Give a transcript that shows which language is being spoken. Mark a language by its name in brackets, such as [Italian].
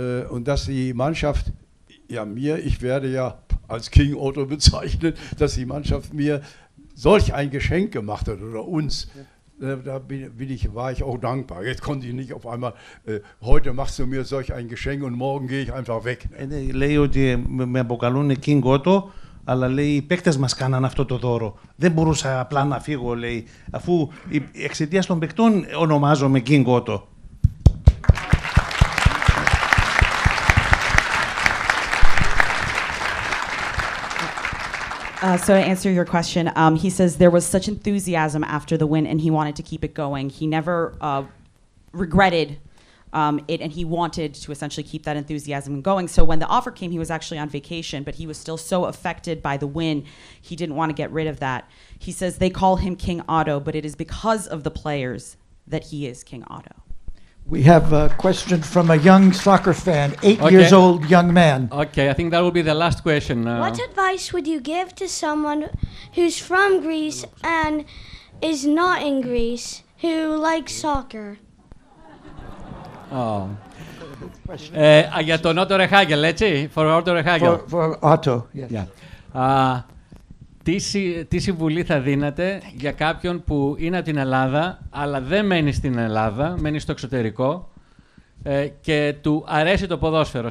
[German] Und dass die Mannschaft, ja mir, ich werde ja als King Otto bezeichnet, dass die Mannschaft mir solch ein Geschenk gemacht hat oder uns. Da war ich auch dankbar. Jetzt konnte ich nicht auf einmal, heute machst du mir solch ein Geschenk und morgen gehe ich einfach weg. [Greek] Λέει ότι με αποκαλούν King Otto, αλλά λέει οι παίκτες μας κάναν αυτό το δώρο. Δεν μπορούσα απλά να φύγω, λέει, αφού εξαιτίας των παικτών ονομάζομαι King Otto. [English] So to answer your question, he says there was such enthusiasm after the win and he wanted to keep it going. He never regretted it and he wanted to essentially keep that enthusiasm going. So when the offer came, he was actually on vacation, but he was still so affected by the win, he didn't want to get rid of that. He says they call him King Otto, but it is because of the players that he is King Otto. We have a question from a young soccer fan, eight years old young man. Okay, I think that will be the last question. What advice would you give to someone who's from Greece and is not in Greece, who likes soccer? Oh. [Greek] για τον Otto Rehhagel, έτσι? [English] For Otto Rehhagel. For Otto, yes. Yeah. [Greek] Τι συμβουλή θα δίνατε για κάποιον που είναι από την Ελλάδα, αλλά δεν μένει στην Ελλάδα, μένει στο εξωτερικό και του αρέσει το ποδόσφαιρο.